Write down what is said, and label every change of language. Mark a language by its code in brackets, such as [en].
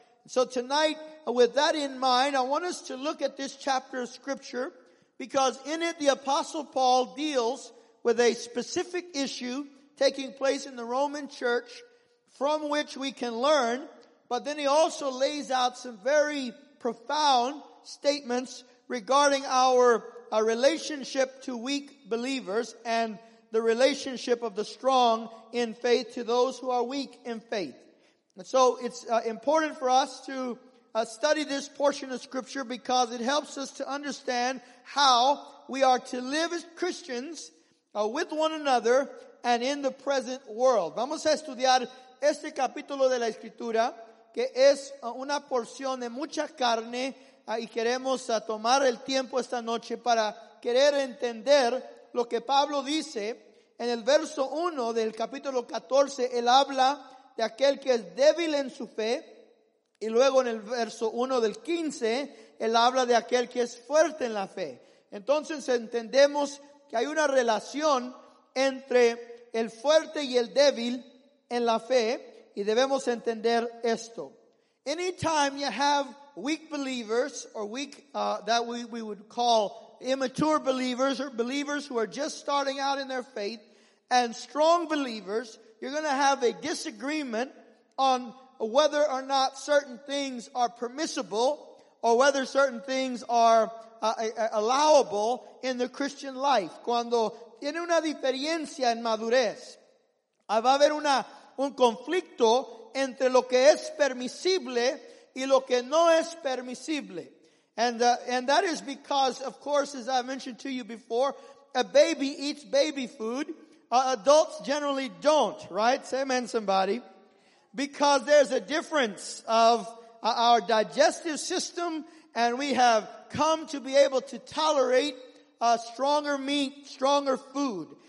[en] So tonight, with that in mind, I want us to look at this chapter of scripture, because in it the Apostle Paul deals with a specific issue taking place in the Roman church from which we can learn, but then he also lays out some very profound statements regarding our relationship to weak believers and the relationship of the strong in faith to those who are weak in faith. And so it's important for us to study this portion of scripture because it helps us to understand how we are to live as Christians with one another and in the present world. [es] Vamos a estudiar este capítulo de la escritura que es una porción de mucha carne y queremos tomar el tiempo esta noche para querer entender lo que Pablo dice en el verso 1 del capítulo 14. Él habla de aquel que es débil en su fe, y luego en el verso 1 del 15, él habla de aquel que es fuerte en la fe. Entonces entendemos que hay una relación entre el fuerte y el débil en la fe, y debemos entender esto. [en] Anytime you have weak believers, or weak, that we would call immature believers, or believers who are just starting out in their faith, and strong believers, you're going to have a disagreement on whether or not certain things are permissible, or whether certain things are allowable in the Christian life. [es] Cuando tiene una diferencia en madurez, va a haber un conflicto entre lo que es permisible y lo que no es permisible. [en] And that is because, of course, as I mentioned to you before, a baby eats baby food. Adults generally don't, right? Say amen, somebody. Because there's a difference of our digestive system, and we have come to be able to tolerate stronger meat, stronger food.